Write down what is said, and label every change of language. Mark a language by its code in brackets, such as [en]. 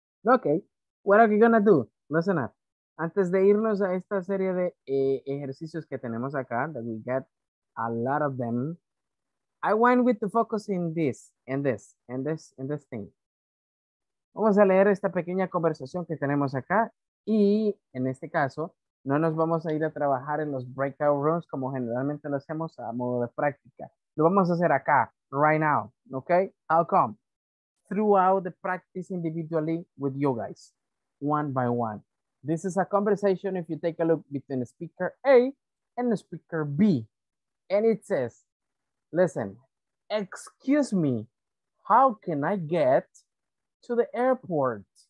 [en] Okay, what are we gonna do? Listen up. [es] Antes de irnos a esta serie de ejercicios que tenemos acá, [en] that we get a lot of them, I went with the focus in this, and this, and this, and this thing. [es] Vamos a leer esta pequeña conversación que tenemos acá. Y en este caso, no nos vamos a ir a trabajar en los breakout rooms como generalmente lo hacemos a modo de práctica. Lo vamos a hacer acá, right now, okay? How come? [en] Throughout the practice individually with you guys, one by one. This is a conversation, if you take a look, between speaker A and speaker B. And it says, listen, excuse me, how can I get to the airport?